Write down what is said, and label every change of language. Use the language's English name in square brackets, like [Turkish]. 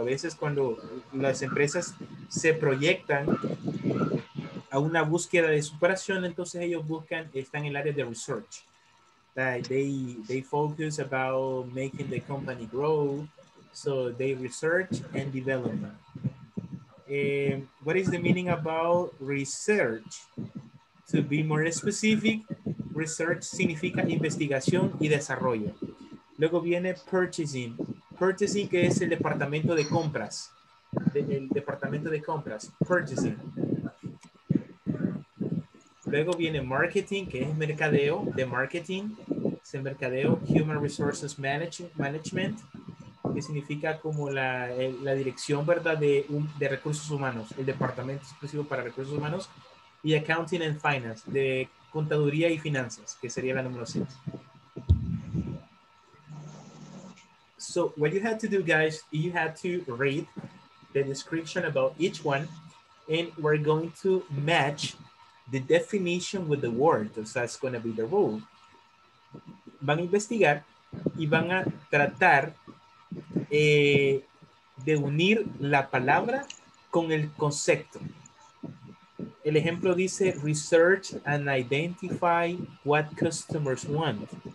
[Spanish] A veces cuando las empresas se proyectan a una búsqueda de superación, entonces ellos buscan, están en el área de research. [English] They focus about making the company grow, so they research and development. What is the meaning about research? To be more specific, research significa investigación y desarrollo. [Spanish] Luego viene purchasing. Purchasing, que es el departamento de compras. El departamento de compras, purchasing. Luego viene marketing, que es mercadeo, de marketing. Es el mercadeo, human resources management, que significa como la dirección, ¿verdad?, de recursos humanos, el departamento exclusivo para recursos humanos, y accounting and finance, de contaduría y finanzas, que sería la número 6. [English] So, what you had to do, guys, you had to read the description about each one, and we're going to match the definition with the word. So that's going to be the rule. [Spanish] Van a investigar y van a tratar de unir la palabra con el concepto. [English] El ejemplo dice research and identify what customers want.